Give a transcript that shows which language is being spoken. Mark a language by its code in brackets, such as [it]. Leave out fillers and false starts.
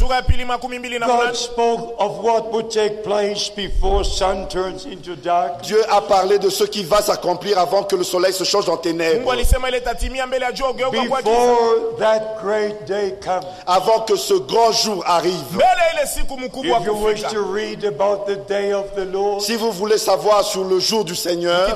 [en] God spoke of what would take place before sun turns into dark. [fr] Dieu a parlé de ce qui va s'accomplir avant que le soleil se change en ténèbres. [en] Before that great day comes. [fr] Avant que ce grand jour arrive. [en] If you wish to read about the day of the Lord, [fr] si vous voulez savoir sur le jour du Seigneur,